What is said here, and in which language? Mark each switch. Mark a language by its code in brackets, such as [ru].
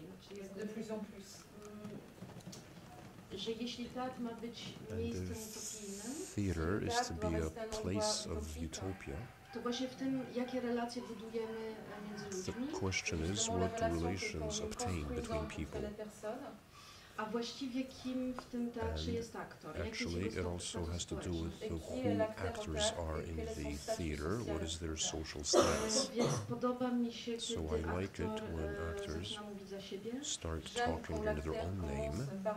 [en] And if theater is to be a place of utopia, the question is what relations obtain between people. [pl] A właściwie kim w tym teatrze jest aktor? [en] Actually, it also has to do with who actors are in the theater, what is their social status. So I like it when actors start talking under their own name.